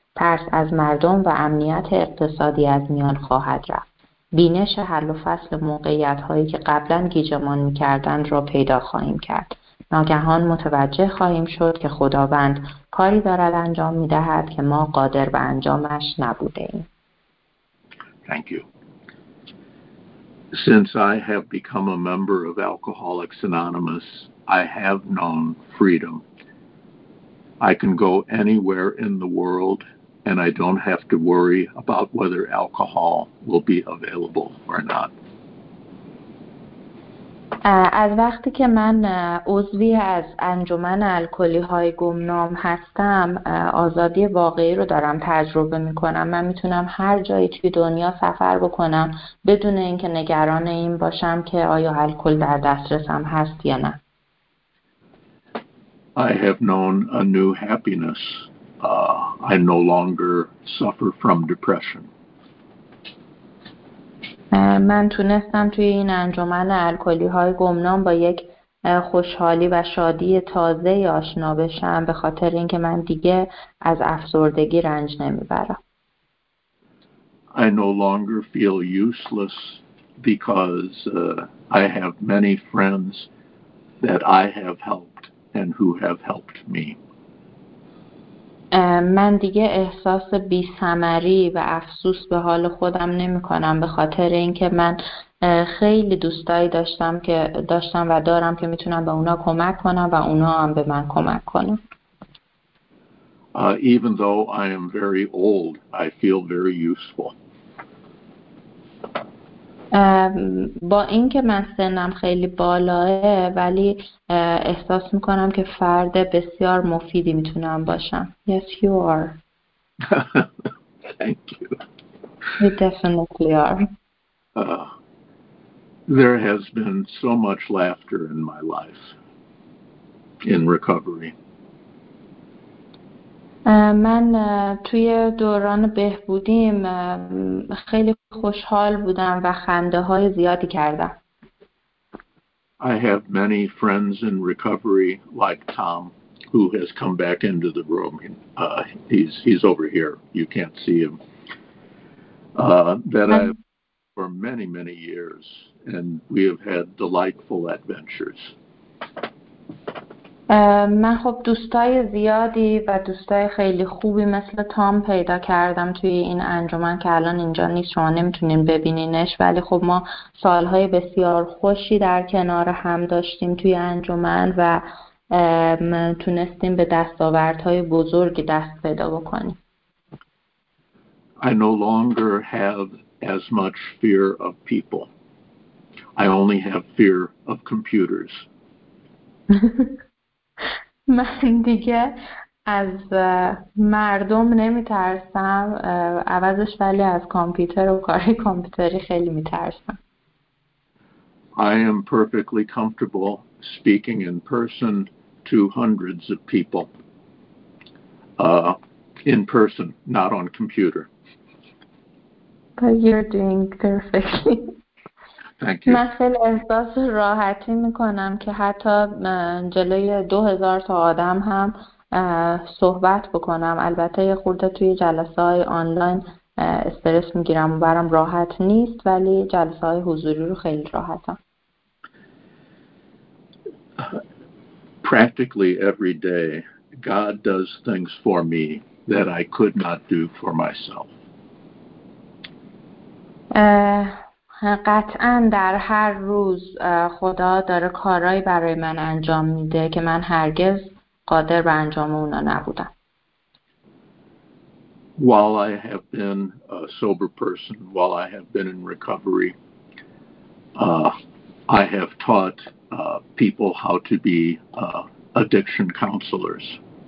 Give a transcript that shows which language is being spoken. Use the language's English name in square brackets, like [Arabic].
[Persian] ترس از مردم و امنیت اقتصادی از میان خواهد رفت. بینش حل و فصل موقعیت‌هایی که قبلاً گیجمان می‌کردند را پیدا خواهیم کرد. ناگهان متوجه خواهیم شد که خداوند کاری دارد انجام می‌دهد که ما قادر به انجامش نبوده‌ایم. [English] Thank you. Since I have become a member of Alcoholics Anonymous, I have known freedom. I can go anywhere in the world. And I don't have to worry about whether alcohol will be available or not. [Persian] از وقتی که من عضوی از انجمن الکلی‌های گمنام هستم، آزادی واقعی رو دارم تجربه می‌کنم. من میتونم هر جایی توی دنیا سفر بکنم بدون اینکه نگران این باشم که آیا الکل در دسترسم هست یا نه. [English] I have known a new happiness. I no longer suffer from depression. [Persian] من تونستم توی این انجمن الکلی‌های گمنام با یک خوشحالی و شادی تازه آشنا بشم به خاطر اینکه من دیگه از افسردگی رنج نمیبرم. [English] I no longer feel useless because I have many friends that I have helped and who have helped me. [Persian] من دیگه احساس بی‌ثمری و افسوس به حال خودم نمی‌کنم به خاطر اینکه من خیلی دوستایی داشتم که داشتم و دارم که میتونم به اونا کمک کنم و اونا هم به من کمک کنن. [English] Even though I am very old, I feel very useful. [Persian] با اینکه من سنم خیلی بالاست ولی احساس میکنم که فرد بسیار مفیدی میتونم باشم. [English] Yes, you are. Thank you. You definitely are. There has been so much laughter in my life in recovery. [Persian] من توی دوران بهبودیم خیلی خوشحال بودم و خنده های زیادی کردم. [English] I have many friends in recovery like Tom who has come back into the room. He's over here. You can't see him. That I've for many, many years and we have had delightful adventures. [Persian] من خب دوستای زیادی و دوستای خیلی خوبی مثل تام پیدا کردم توی این انجمن که الان اینجا نیست، شما نمیتونین ببینینش، ولی خب ما سالهای بسیار خوشی در کنار هم داشتیم توی انجمن و تونستیم به دستاوردهای بزرگی دست پیدا بکنیم. [English] I no longer have as much fear of people. I only have fear of computers. [Persian] من دیگه از مردم نمی ترسم، عوضش ولی از کامپیوتر و کارهای کامپیوتری خیلی می ترسم. [English] I am perfectly comfortable speaking in person to hundreds of people. in person, not on computer. But you're doing perfectly. Thank you. [Persian] من خیلی احساس راحتی میکنم که حتی جلوی 2000 تا آدم هم صحبت بکنم. البته یه خورده توی جلسه های آنلاین استرس میگیرم و برام راحت نیست، ولی جلسه های حضوری رو خیلی راحتم. [English] Practically every day, God does things for me that I could not do for myself. [Persian] قطعا در هر روز خدا داره کارهایی برای من انجام میده که من هرگز قادر به انجام اونا نبودم. [English] While I have been a sober person, while I have been in recovery, I have taught people how to be addiction counselors.